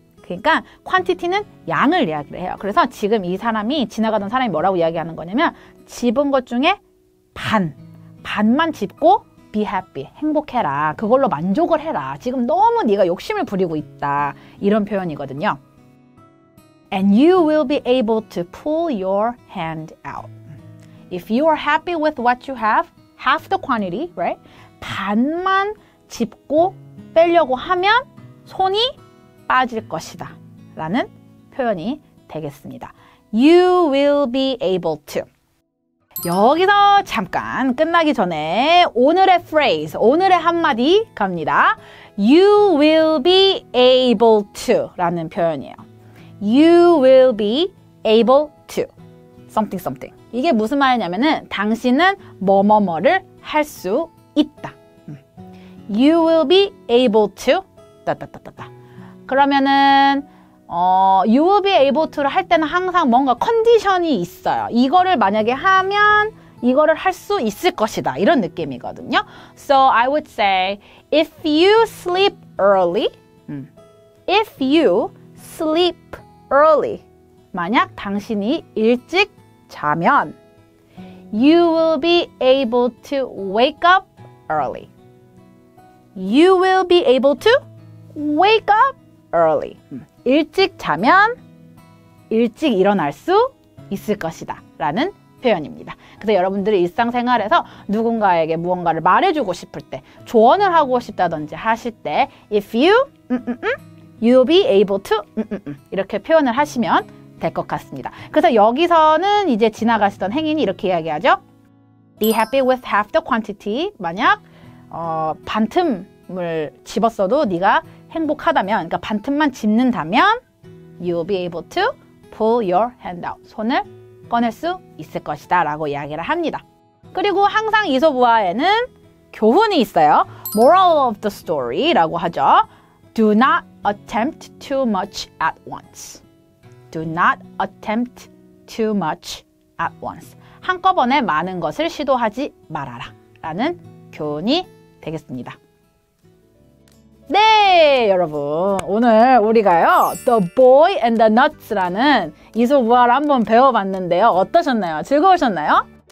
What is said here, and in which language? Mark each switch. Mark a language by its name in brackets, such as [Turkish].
[Korean] 그러니까 quantity는 양을 이야기를 해요. 그래서 지금 이 사람이, 지나가던 사람이 뭐라고 이야기하는 거냐면 집은 것 중에 반, 반만 집고 be happy, 행복해라. 그걸로 만족을 해라. 지금 너무 네가 욕심을 부리고 있다. 이런 표현이거든요. [English] And you will be able to pull your hand out. If you are happy with what you have, half the quantity, right? [Korean] 반만 짚고 빼려고 하면 손이 빠질 것이다 라는 표현이 되겠습니다. [English] You will be able to. [Korean] 여기서 잠깐 끝나기 전에 오늘의 phrase, 오늘의 한마디 갑니다. [English] You will be able to [Korean] 라는 표현이에요. [English] You will be able to something something. [Korean] 이게 무슨 말이냐면은 당신은 뭐뭐뭐를 할 수 있다. [English] You will be able to 따따따따따. 그러면은 you will be able to를 [Korean] 할 때는 항상 뭔가 컨디션이 있어요. 이거를 만약에 하면 이거를 할 수 있을 것이다. 이런 느낌이거든요. [English] So I would say if you sleep early, if you sleep early, [Korean] 만약 당신이 일찍 자면 [English] you will be able to wake up early. You will be able to wake up early. [Korean] 일찍 자면 일찍 일어날 수 있을 것이다 라는 표현입니다. 그래서 여러분들이 일상생활에서 누군가에게 무언가를 말해주고 싶을 때, 조언을 하고 싶다든지 하실 때 [English] if you You'll be able to [Korean] 이렇게 표현을 하시면 될 것 같습니다. 그래서 여기서는 이제 지나가시던 행인이 이렇게 이야기하죠. [English] Be happy with half the quantity. [Korean] 만약 반틈을 집었어도 네가 행복하다면, 그러니까 반틈만 집는다면 [English] You'll be able to pull your hand out. [Korean] 손을 꺼낼 수 있을 것이다 라고 이야기를 합니다. 그리고 항상 이소부아에는 교훈이 있어요. [English] Moral of the story [Korean] 라고 하죠. [English] Do not attempt too much at once. Do not attempt too much at once. [Korean] 한꺼번에 많은 것을 시도하지 말아라 라는 교훈이 되겠습니다. 네, 여러분, 오늘 우리가요 The Boy and the Nuts라는 이솝우화를 한번 배워봤는데요. 어떠셨나요? 즐거우셨나요?